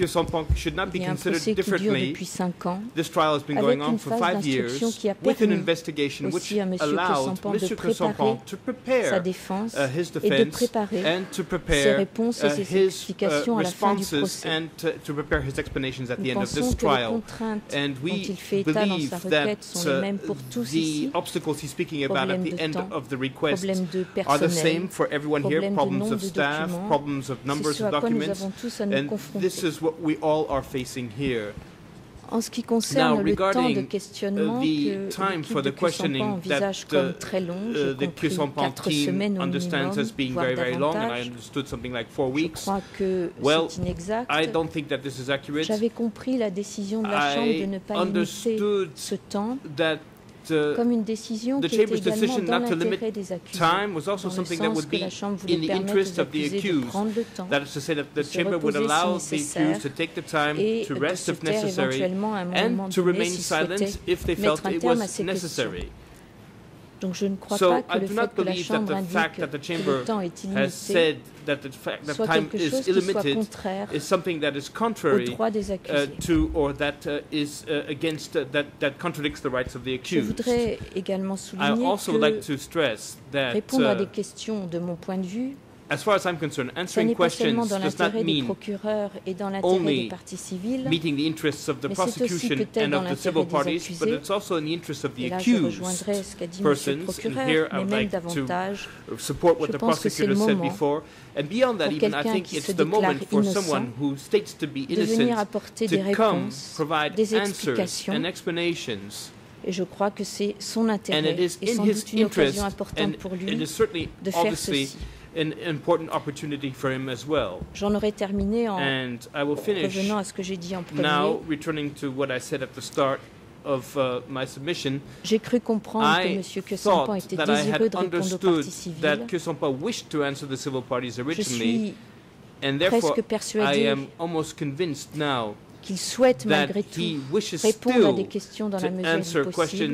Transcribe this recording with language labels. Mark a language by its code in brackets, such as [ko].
[fr] Il y a un procès qui dure depuis 5 ans, avec une phase d'instruction qui a permis aussi à Monsieur Kusampan de préparer sa défense et de préparer ses réponses et ses explications à la fin du procès. Nous pensons que les contraintes dont il fait état dans sa requête sont les mêmes pour tous ici. [en] Obstacles he's speaking about at the end of the request are the same for everyone here, problems of staff, problems of numbers of documents, and this is what we all are facing here. [fr] En ce qui concerne le temps de questionnement que l'équipe de Kusampan envisage comme très long, j'ai compris 4 semaines au minimum, voire davantage, je crois que c'est inexact. J'avais compris la décision de la Chambre de ne pas limiter ce temps comme une décision qui était également dans l'intérêt des accusés, dans le sens que la Chambre voulait permettre aux accusés de prendre le temps, de se reposer si nécessaire, et de se taire éventuellement à un moment donné si souhaitaient mettre un terme à ces questions. Donc je ne crois pas que le fait que la Chambre indique que le temps est illimité [en] that the fact that time is illimited is something that is contrary to or that is against that contradicts the rights of the accused. [fr] Je voudrais également souligner [en] I also [fr] que [en] like to stress that [fr] répondre à des questions de mon point de vue, [en] as far as I'm concerned, answering questions does not mean only meeting the interests of the prosecution and of the civil parties, but it's also in the interest of the accused persons, and here I would like to support what the prosecutor said before. And beyond that, even I think it's the moment for someone who states to be innocent to come provide answers and explanations. [fr] Et je crois que c'est son intérêt et sans doute une occasion importante pour lui de faire ceci. [en] An important opportunity for him as well. [fr] J'en aurais terminé en [en] and I will finish [fr] revenant à ce que j'ai dit en premier. [en] Now, returning to what I said at the start of my submission, [fr] j'ai cru comprendre que M. Kusampan était désireux de répondre aux parties civiles. [en] That Kusampan wished to answer the civil parties originally, [fr] je suis [en] and therefore, [fr] presque persuadé [en] I am almost convinced now [fr] qu'il souhaite malgré tout répondre à des questions dans la mesure du possible.